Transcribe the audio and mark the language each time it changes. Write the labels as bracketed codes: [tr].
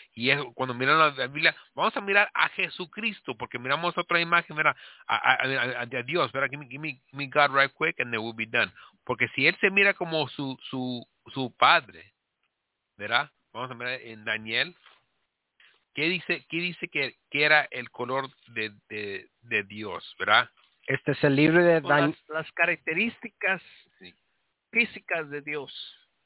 [es] Y eso, cuando miran la Biblia, vamos a mirar a Jesucristo, porque miramos otra imagen, ¿verdad? A Dios, ¿verdad? [en] Give me God right quick and it will be done. [es] Porque si él se mira como su padre, ¿verdad? Vamos a mirar en Daniel. ¿Qué dice que era el color de Dios, ¿verdad? Este es el libro de Daniel. Las características físicas de Dios.